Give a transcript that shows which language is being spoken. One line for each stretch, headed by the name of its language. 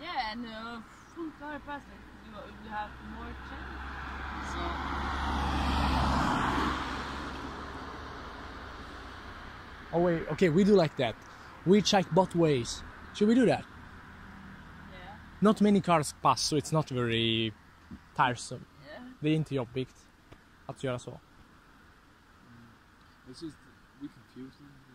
English: Yeah, and a full car pass, like you have more chance. So. Oh wait, okay, we do like that. We check both ways. Should we do that? Not many cars pass, so it's not very tiresome. Yeah.
Swedish: Det är inte jobbigt att göra så.
English: It's just we confuse them.